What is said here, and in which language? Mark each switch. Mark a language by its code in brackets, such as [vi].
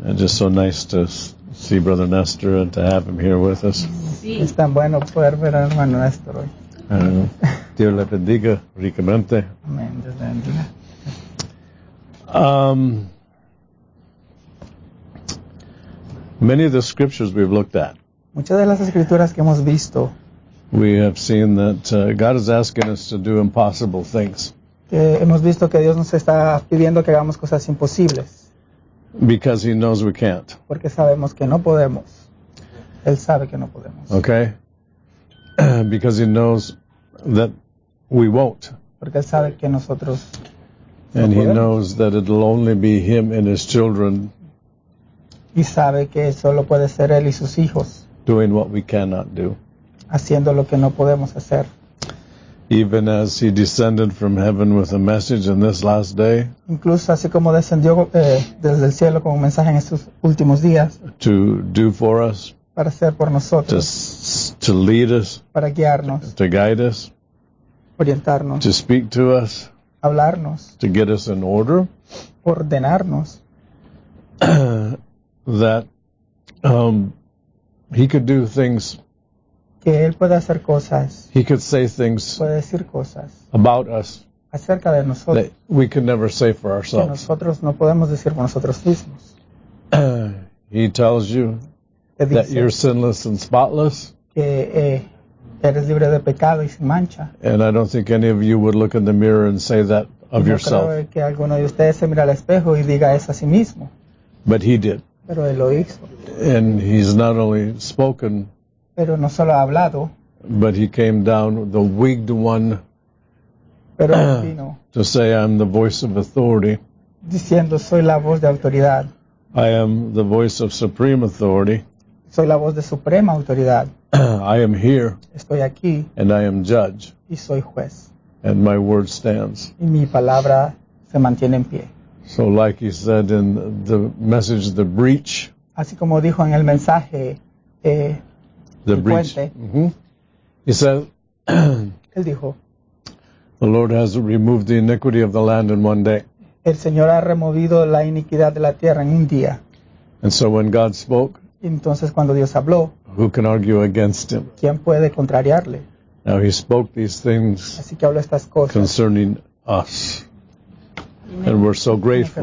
[en] And just so nice to see Brother Nestor and to have him here with us. [es] Sí. Es tan bueno poder ver a hermano Nestor hoy. Dios le bendiga ricamente. Amén. Dios le bendiga. [en] Many of the scriptures we've looked at. [es] Muchas de las escrituras que hemos visto. [en] We have seen that God is asking us to do impossible things. [es] Hemos visto que Dios nos está pidiendo que hagamos cosas imposibles. [en] Because he knows we can't. [es] Porque sabemos que no podemos. Él sabe que no podemos. [en] Okay. Because he knows that we won't. [es] Porque él sabe que nosotros no podemos. [en] And he knows that it'll only be him and his children. [es] Y sabe que solo puede ser él y sus hijos. [en] Doing what we cannot do. [es] Haciendo lo que no podemos hacer. [en] Even as he descended from heaven with a message in this last day. [es] Incluso así como descendió desde el cielo con un mensaje en estos últimos días. [en] To do for us. [es] Para hacer por nosotros. [en] To lead us. [es] Para guiarnos. [en] To guide us. [es] Orientarnos. [en] To speak to us. [es] Hablarnos. [en] To get us in order. [es] Ordenarnos. [en] That he could do things. [es] Que él puede hacer cosas. [en] He could say things. [es] Puede decir cosas. [en] About us. [es] Acerca de nosotros. [en] That we could never say for ourselves. [es] Que nosotros no podemos decir por nosotros mismos. [en] He tells you. [es] Te dice [en] that you're sinless and spotless. [es] Que eres libre de pecado y sin mancha. [en] And I don't think any of you would look in the mirror and say that of yourself. [es] No creo que alguno de ustedes se mire al espejo y diga eso a sí mismo. [en] But he did. [es] Pero él lo hizo. [en] And he's not only spoken. [es] Pero no solo ha hablado. [en] But he came down, the winged one. [es] Pero vino. [en] To say, I'm the voice of authority. [es] Diciendo, soy la voz de autoridad. [en] I am the voice of supreme authority. [es] Soy la voz de suprema autoridad. [en] I am here. [es] Estoy aquí. [en] And I am judge. [es] Y soy juez. [en] And my word stands. [es] Y mi palabra se mantiene en pie. [en] So like he said in the message, the breach. [es] Así como dijo en el mensaje, [en] the [es] el [en] breach. Mm-hmm. He said, [es] él dijo, [en] the Lord has removed the iniquity of the land in one day. [es] El Señor ha removido la iniquidad de la tierra en un día. [en] And so when God spoke, [es] entonces cuando Dios habló, [en] who can argue against him? [es] ¿Quién puede contrariarle? [en] Now he spoke these things, [es] así que habló estas cosas, [en] concerning us. And we're so grateful.